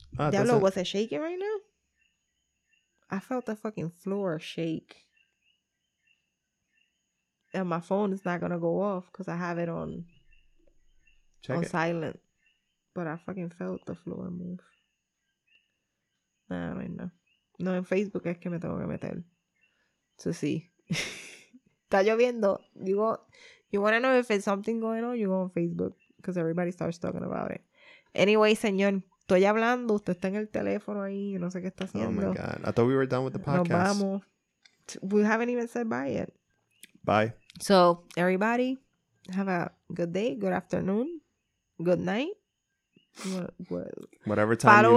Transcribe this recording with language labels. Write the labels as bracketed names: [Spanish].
[English] Diablo, was it shaking right now? I felt the fucking floor shake. And my phone is not going to go off because I have it on... Check on it. Silent, but I fucking felt the floor move. Nah, I don't know. [Spanish] No, en Facebook es que me tengo que meter. So, sí. Está lloviendo. [English] You want to know if it's something going on? You go on Facebook because everybody starts talking about it. [Spanish] Anyway, señor, estoy hablando. Usted está en el teléfono ahí. No sé qué está haciendo. [English] Oh my God. I thought we were done with the podcast. [Spanish] Nos vamos. [English] We haven't even said bye yet. Bye. So, everybody, have a good day. Good afternoon. Good night. Whatever time you're listening.